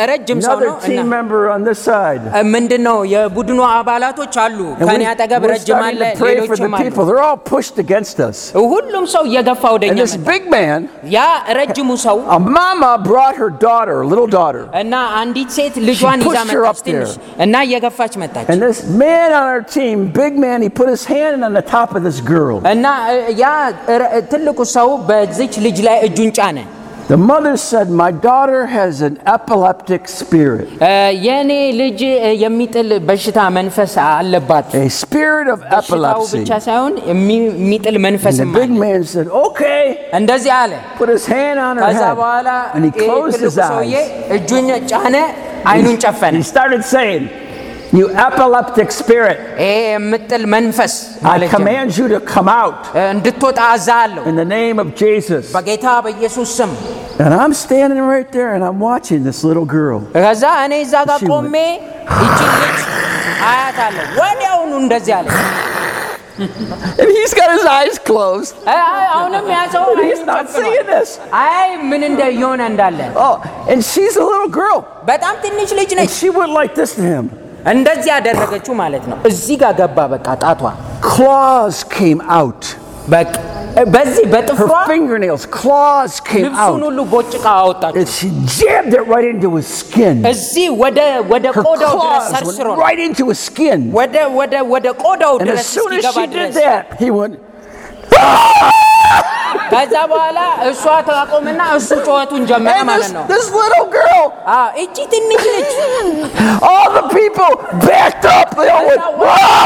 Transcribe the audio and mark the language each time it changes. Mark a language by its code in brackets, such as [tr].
[en] Another team member on this side. [am] ምንድነው የቡድኑ አባላቶች አሉ ከኔ አጠገብ ረጅም አለ ሌሎችም [en] They're all pushed against us. [am] ሁሉም ሰው እየገፋ ወደኛ [en] This big man. [am] ያ ረጅሙ ሰው [en] Mama brought her daughter, little daughter. [am] እና አንዲት ሴት ልጇን ይዛ መጣች እና እየገፋች መጣች. [en] And this man on our team, big man, he put his hand on the top of this girl. [am] እና ያ ትልቁ ሰው በዚች ልጅ ላይ እጁን ጫነ. [en] The mother said, my daughter has an epileptic spirit. [am] የኔ ልጅ የሚጥል በሽታ መንፈስ አለባት. [en] A spirit of epilepsy. [am] ብቻ ሳይሆን የሚጥል መንፈስም አለ. [en] The big man said, okay. [am] እንደዚህ አለ. [en] Put his hand on her head. [am] ከዛ በኋላ [en] and he closed his eyes. [am] እጁን ጫነ አይኑን ጨፈነ. [en] He started saying, You epileptic spirit. I command you to come out. In the name of Jesus. And I'm standing right there and I'm watching this little girl. And he's got his eyes closed. He's not seeing this. Oh, and she's a little girl. And she went like this to him. [am] እንደዚህ ያደረገችው ማለት ነው እዚህ ጋር ገባ በቃ ጣቷ [en] claws came out [am] በዚህ በጥፍሯ [en] her fingernails claws came out [am] ልብሱን ሁሉ ቦጭቃ አወጣ [en] and she jammed it right into his skin [am] እዚህ ወደ ቆዳው ድረስ [en] right into his skin [am] ወደ ቆዳው ድረስ [en] as soon as she did that he went [am] ከዛ በኋላ እሷ ተቆመና እሱ ጮኸቱን ጀመረ ማለት ነው [en] this little girl [am] እቺ ትንሽ ልጅ [en] all the people backed up they all went whoa